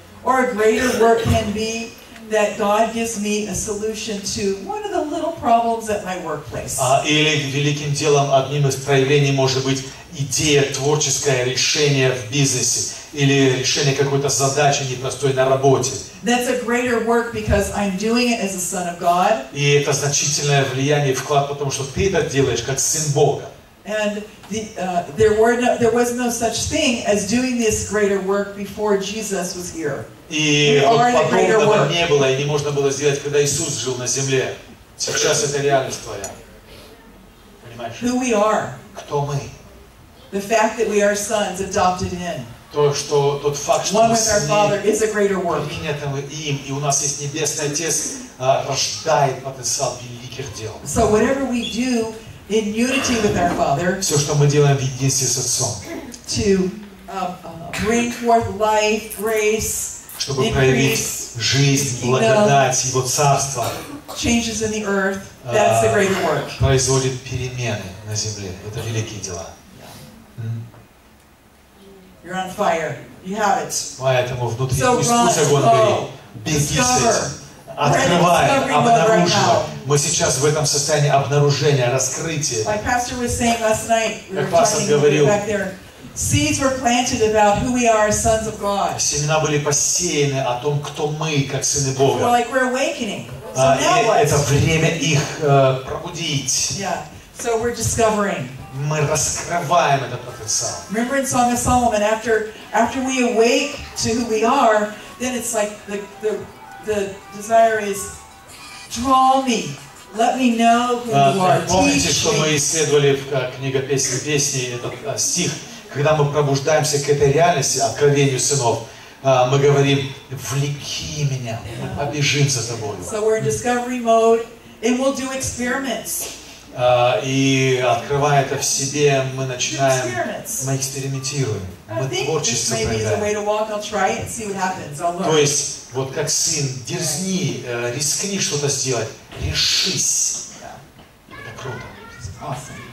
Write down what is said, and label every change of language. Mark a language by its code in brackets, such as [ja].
[en] Or a greater work can be that God gives me a solution to one of the little problems at my workplace. [ru] Или великим делом одним из проявлений может быть идея, творческое решение в бизнесе или решение какой-то задачи непростой на работе. [en] That's a greater work because I'm doing it as a son of God. [ru] И это значительное влияние и вклад, потому что ты это делаешь как сын Бога. [en] And there was no such thing as doing this greater work before Jesus was here. [ru] И подобного не было и не можно было сделать, когда Иисус жил на земле. Сейчас это реальность твоя. Понимаешь? [en] Who we are. [ru] Кто мы? [en] The fact that we are sons adopted in. [ru] Тот факт, что [en] one with our Father is a greater work. [ru] Им, и у нас есть Небесный Отец, рождает потенциал великих дел. [en] So whatever we do in unity with our Father, [ru] все, что мы делаем в единстве с Отцом, [en] to bring forth life, grace, [ru] чтобы проявить жизнь, благодать, Его Царство, производит перемены на земле. Это великие дела. [en] You're on fire. You have it. [ru] Поэтому внутри Иисуса огонь горит. Беги с этим. Открывай, обнаруживай. Мы сейчас в этом состоянии обнаружения, раскрытия. [en] My pastor was saying last night, we were talking back there. Seeds were planted about who we are, sons of God. [ru] Семена были посеяны о том, кто мы, как сыны Бога. [en] We're like we're awakening. So now what? [ru] Это время их пробудить. [en] Yeah. So we're discovering. [ru] Мы раскрываем этот потенциал. [en] Remember in Song of Solomon, after we awake to who we are, then it's like the desire is, draw me. Let me know who you are. [ru] Помните, что мы исследовали в книге «Песни песни» этот стих? Когда мы пробуждаемся к этой реальности, откровению сынов, мы говорим, влеки меня, мы побежим за тобой. [en] So we're in discovery mode, and we'll do experiments. [ru] И открывая это в себе, мы начинаем, мы экспериментируем, мы творчество проявляем. То есть, вот как сын, дерзни, рискни что-то сделать, решись. Это круто.